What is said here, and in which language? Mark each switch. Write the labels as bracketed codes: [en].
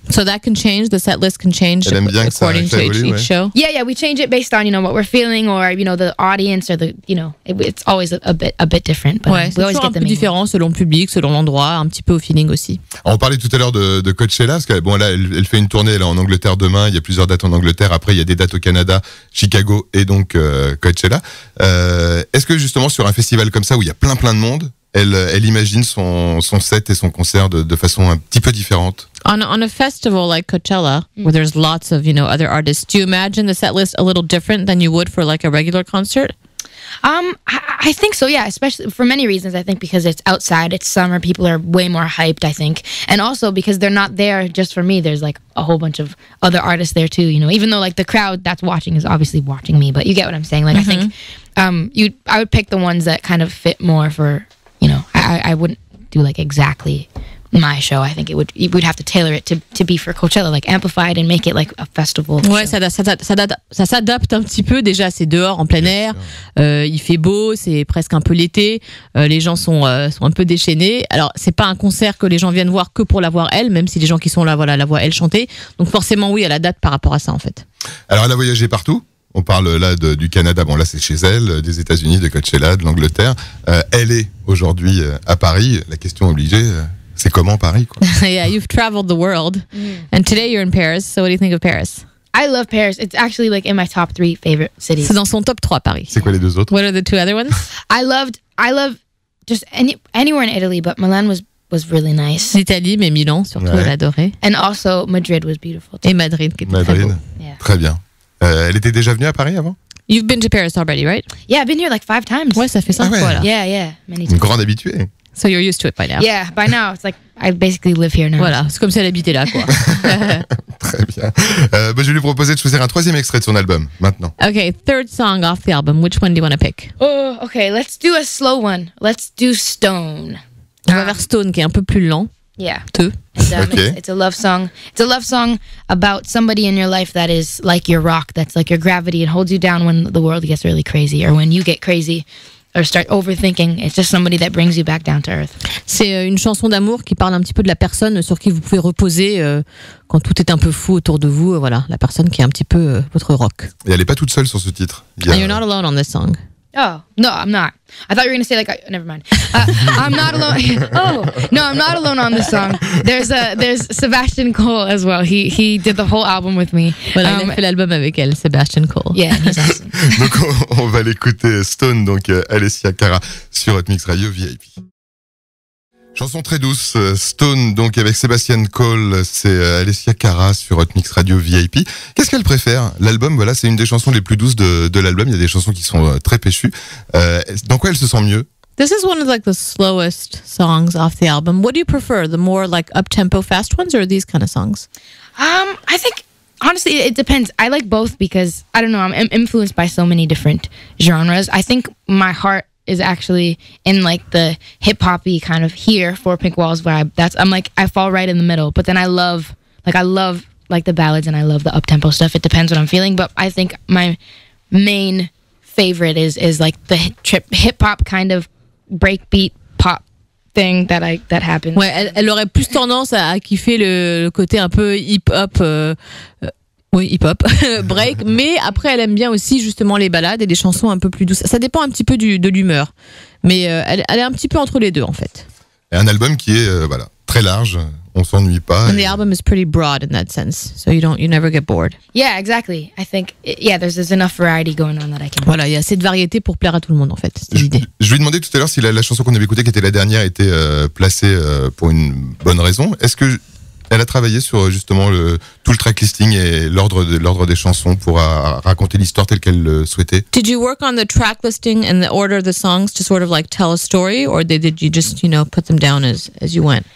[en] So that can change, the set list can change according to each show. Yeah, we change it based on, you know, what we're feeling or, you know, the audience or the, you know, it's always a bit different. But [fr] ouais, [en] we always get [fr] un peu différent selon le public, selon l'endroit, un petit peu au feeling aussi. On parlait tout à l'heure de Coachella, parce que, bon, là, elle fait une tournée là en Angleterre demain, il y a plusieurs dates en Angleterre, après il y a des dates au Canada, Chicago et donc Coachella. Est-ce que justement sur un festival comme ça où il y a plein de monde, elle imagine son set et son concert de façon un petit peu différente? [en] On a festival like Coachella, where there's lots of, you know, other artists, do you imagine the set list a little different than you would for like a regular concert? I think so, yeah, especially for many reasons. I think because it's outside, it's summer, people are way more hyped, I think. And also because they're not there just for me, there's like a whole bunch of other artists there too, you know, even though like the crowd that's watching is obviously watching me, but you get what I'm saying. Like, mm-hmm. I think I would pick the ones that kind of fit more for, you know, I wouldn't do like exactly my show. I think we'd have to tailor it to be for Coachella, like amplified and make it like a festival. [fr] Ouais, ça s'adapte un petit peu. Déjà, c'est dehors, en plein air. Il fait beau, c'est presque un peu l'été. Les gens sont un peu déchaînés. Alors, c'est pas un concert que les gens viennent voir que pour la voir elle, même si les gens qui sont là, voilà, la voient elle chanter. Donc, forcément, oui, elle adapte par rapport à ça, en fait. Alors, elle a voyagé partout. On parle là du Canada, bon là c'est chez elle, des États-Unis, de Coachella, de l'Angleterre. Elle est aujourd'hui à Paris. La question obligée. C'est comment Paris, quoi. [en] Yeah, you've traveled the world, and today you're in Paris, so what do you think of Paris? I love Paris, it's actually like in my top three favorite cities. [fr] C'est dans son top 3, Paris. C'est quoi les deux autres? [en] What are the two other ones? I love just anywhere in Italy, but Milan was really nice. [fr] L'Italie, mais Milan, surtout, ouais. Elle adorait. [en] And also, Madrid was beautiful too. [fr] Et Madrid, qui était Madrid. Très beau. Yeah. Très bien. Elle était déjà venue à Paris avant? [en] You've been to Paris already, right? Yeah, I've been here like 5 times. [fr] Ouais, ça fait 5 fois, là. [en] Yeah, many times. [fr] Une grande habituée. [en] So you're used to it by now. Yeah, by now. It's like, I basically live here now. [fr] Voilà, c'est comme si elle habitait là, quoi. Très bien. Je vais lui proposer de choisir un troisième extrait de son album, maintenant. [en] Okay, third song off the album. Which one do you want to pick? Oh, okay, let's do a slow one. Let's do Stone. On va vers Stone, qui est un peu plus lent. Yeah. Two. Okay. It's a love song. It's a love song about somebody in your life that is like your rock, that's like your gravity and holds you down when the world gets really crazy or when you get crazy. Or start overthinking. It's just somebody that brings you back down to earth. [fr] C'est une chanson d'amour qui parle un petit peu de la personne sur qui vous pouvez reposer quand tout est un peu fou autour de vous. Voilà, la personne qui est un petit peu votre rock. Et elle n'est pas toute seule sur ce titre. [en] And you're not alone on this song. Oh, no, I'm not. I thought you were going to say, like, never mind. I'm not alone. Oh, no, I'm not alone on this song. There's Sebastian Cole as well. He did the whole album with me. [fr] Voilà, il a fait l'album avec elle, Sebastian Cole. [en] Yeah, he's awesome. [fr] Donc, on va l'écouter, Stone, donc Alessia Cara, sur Hotmix Radio VIP. Chanson très douce, Stone, donc avec Sebastian Cole, c'est Alessia Cara sur Hotmix Radio VIP. Qu'est-ce qu'elle préfère? L'album, voilà, c'est une des chansons les plus douces de l'album. Il y a des chansons qui sont très péchues. Dans quoi elle se sent mieux? [en] This is one of like the slowest songs off the album. What do you prefer, the more like up-tempo fast ones or these kind of songs? I think, honestly, it depends. I like both because, I don't know, I'm influenced by so many different genres. I think my heart is actually in like the hip hoppy kind of here for Pink Walls vibe. That's I'm like I fall right in the middle. But then I love the ballads and I love the up tempo stuff. It depends what I'm feeling. But I think my main favorite is like the hip hop kind of breakbeat pop thing that I that happens. [fr] Ouais, elle aurait plus tendance à kiffer le côté un peu hip hop. Oui, hip-hop, break, mais après elle aime bien aussi justement les balades et les chansons un peu plus douces. Ça dépend un petit peu de l'humeur, mais elle est un petit peu entre les deux en fait. Et un album qui est voilà, très large, on s'ennuie pas. [en] And the album is pretty broad in that sense, so you never get bored. Yeah, exactly. I think, yeah, there's enough variety going on that I can... [fr] Voilà, il y a assez de variété pour plaire à tout le monde en fait, c'est l'idée. Je lui ai demandé tout à l'heure si la chanson qu'on avait écoutée, qui était la dernière, était placée pour une bonne raison. Est-ce que... Elle a travaillé sur justement tout le tracklisting et l'ordre des chansons pour raconter l'histoire telle qu'elle le souhaitait. [en] Did you work on the tracklisting and the order of the songs to sort of like tell a story, or did you just, you know, put them down as you went?